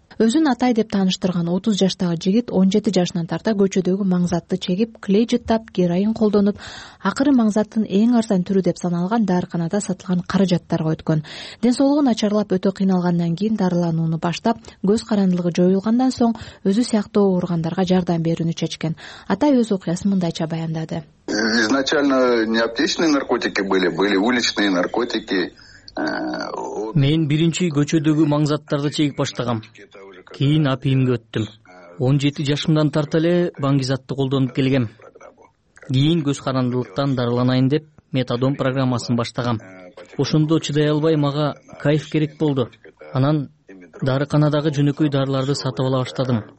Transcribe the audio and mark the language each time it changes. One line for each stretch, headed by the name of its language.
Kyrgyz: Өзүн Атай деп тааныштырган 30 жаштагы жигит 17 жашынан тарта көчөдөгү маңзатты чегип, клей жыттап, героин колдонуп, акыры маңзаттын эң арзан түрү деп саналган дарыканада сатылган каражаттарга өткөн. Ден соолугу начарлап өтө кыйналгандан кийин дарыланууну баштап, көз карандылыгы жоюлгандан соң өзү сыяктуу ооругандарга жардам берүүнү чечкен. Атай өз окуясын мындайча баяндады.
Russian: Изначально не аптечные наркотики были, были уличные наркотики.
Kyrgyz: Мен биринчи көчөдөгү маңзаттарды чегип баштагам. Кийин апиимге өттүм. 17 жашымдан тарта эле бангизатты колдонуп келгем. Кийин көз карандылыктан дарыланайын деп метадон программасын баштагам. Ошондо чыдай албай мага кайф керек болду. Анан дарыканадагы жөнөкөй дарыларды сатып ала баштадым.